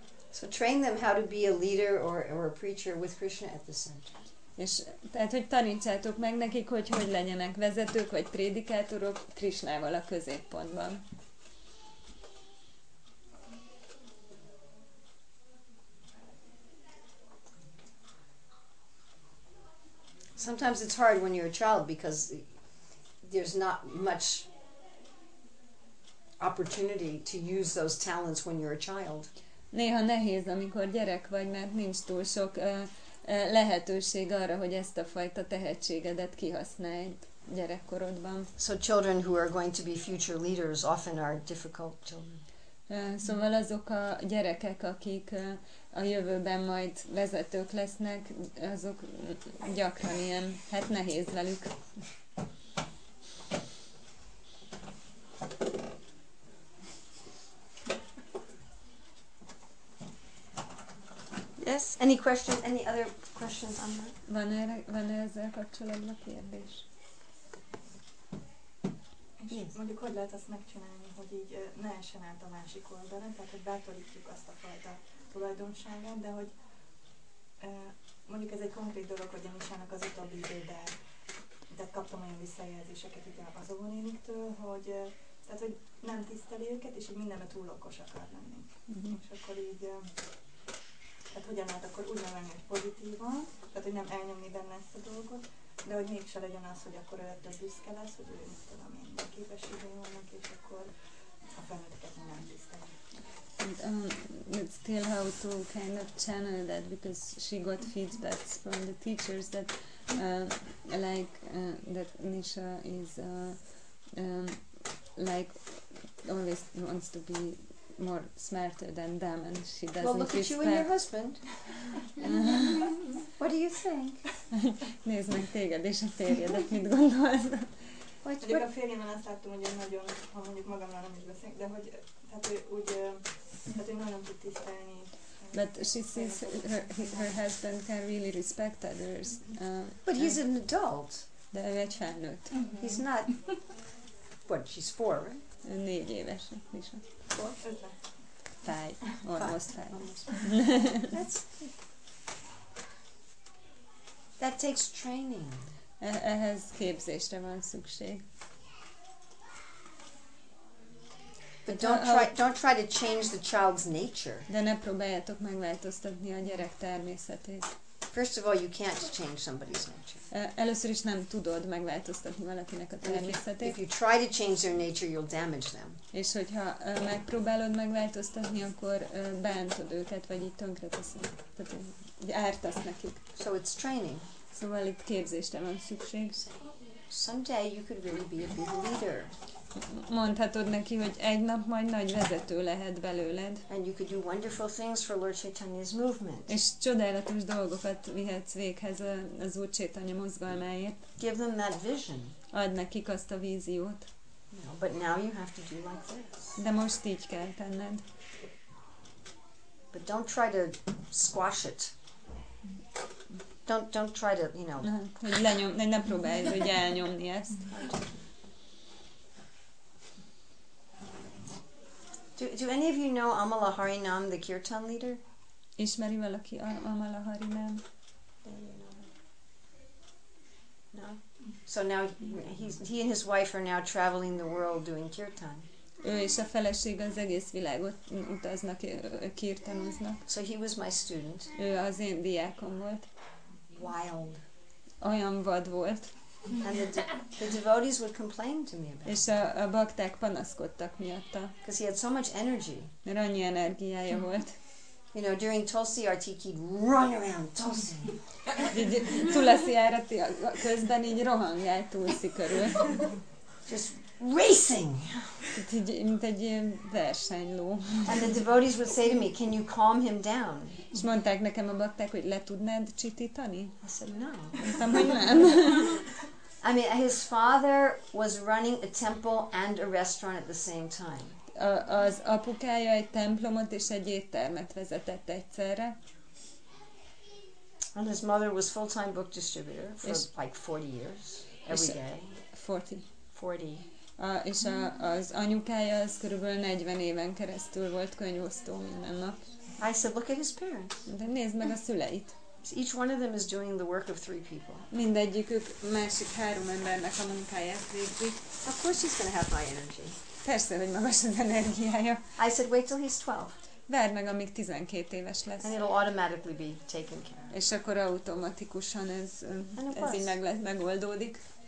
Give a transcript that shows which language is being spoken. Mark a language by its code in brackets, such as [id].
[en] So train them how to be a leader or a preacher with Krishna at the center. [hu] És tehát, hogy tanítsátok meg nekik, hogy legyenek vezetők vagy prédikátorok Krishnával a középpontban. [en] Sometimes it's hard when you're a child because there's not much opportunity to use those talents when you're a child. [hu] Néha nehéz, amikor gyerek vagy, mert nincs túl sok lehetőség arra, hogy ezt a fajta tehetségedet kihasználj gyerekkorodban. [en] So children who are going to be future leaders often are difficult children. [hu] Szóval azok a gyerekek, akik a jövőben majd vezetők lesznek, azok gyakran ilyen, hát nehéz velük. [en] Yes, any questions, any other questions on that? [hu] Van-e ezzel kapcsolatban a kérdés? [en] Yes. [hu] Mondjuk, hogy lehet azt megcsinálni, hogy így ne essen át a másik oldalon, tehát hogy bátorítjuk azt a fajta tulajdonságát, de hogy mondjuk ez egy konkrét dolog, hogy Janisának az utóbbi időben, tehát kaptam olyan visszajelzéseket ugye az óvónéniktől, hogy tehát hogy nem tiszteli őket, és így mindenben túl okos akar lenni. Mm-hmm. És akkor így, tehát hogyan lehet akkor úgy nevelni, hogy pozitívan, tehát hogy nem elnyomni benne ezt a dolgot, de hogy mégse legyen az, hogy akkor ő ettől büszke lesz, hogy ő mit tudom én, képességei vannak, és akkor a felnőtteket nem tiszteli. [en] And it's still how to kind of channel that, because she got feedbacks from the teachers that that Nisha is like always wants to be more smarter than them, and she doesn't respect. Well, look at you and your husband. What do you think? [hu] Nézd meg téged és a férjedet, mit gondolsz? Hogy a férjemmel azt láttam, hogy én nagyon, ha mondjuk magamra nem is beszélek, de hogy, tehát úgy, hát én nagyon tud tisztelni. [en] But she sees her husband can really respect others. But he's an adult. [hu] De ő egy felnőtt. [en] Mm-hmm. He's not, what, she's four, right? [hu] Négy éves, Nisa. [en] Four? Five, almost five. That takes training. [hu] Ehhez képzésre van szükség. [en] But don't try to change the child's nature. [hu] De ne próbáljátok megváltoztatni a gyerek természetét. [en] First of all, you can't change somebody's nature. [hu] Először is nem tudod megváltoztatni valakinek a természetét. [en] If you try to change their nature, you'll damage them. [hu] És hogyha megpróbálod megváltoztatni, akkor bántod őket, vagy így tönkreteszed. Tehát ártasz nekik. [en] So it's training. [hu] Szóval itt képzésre van szükség. [en] Someday you could really be a big leader. [hu] Mondhatod neki, hogy egy nap majd nagy vezető lehet belőled. [en] And you could do wonderful things for Lord Chaitanya's movement. [hu] És csodálatos dolgokat vihetsz véghez az Úr Chaitanya mozgalmáért. [en] Give them that vision. [hu] Add nekik azt a víziót. [en] No, but now you have to do like this. [hu] De most így kell tenned. [en] But don't try to squash it. Don't try to, you know. [hu] Hogy ne próbálj, hogy elnyomni ezt. [en] Do any of you know Amala Harinam, the kirtan leader? [hu] Ismeri valaki Amala Harinam? [en] No. So now he and his wife are now traveling the world doing kirtan. [hu] Ő és a feleség az egész világot utaznak, kirtanoznak. [en] So he was my student. [hu] Ő az én diákom volt. [en] Wild. [hu] Olyan vad volt. [en] And the devotees would complain to me about. [hu] És a bakták panaszkodtak miatta. [en] Because he had so much energy. [hu] Mert annyi energiája volt. [en] You know, during Tulsi Artik, he'd run around Tulsi. [hu] Tulsi Artik közben így rohangált Tulsi körül. [en] Just racing. [hu] Mint egy ilyen versenyló. [en] And the devotees would say to me, can you calm him down? [hu] És mondták nekem a bakták, hogy le tudnád csitítani? [en] I said, no. [hu] Mondtam, hogy nem. [en] I mean, his father was running a temple and a restaurant at the same time. [hu] Az apukája egy templomot és egy éttermet vezetett egyszerre. [en] And his mother was full-time book distributor for és, like 40 years, every day. [hu] 40. És az anyukája az körülbelül 40 éven keresztül volt könyvosztó minden nap. [en] I said, look at his parents. [hu] De nézd meg a szüleit. [en] So each one of them is doing the work of three people. [hu] Mindegyikük másik három embernek a munkáját végzi. [en] Of course he's going to have high energy. [hu] Persze, hogy magas az energiája. [en] I said, wait till he's 12. [hu] Várd meg, amíg 12 éves lesz. [en] And it'll automatically be taken care of. [hu] És akkor automatikusan ez így megoldódik.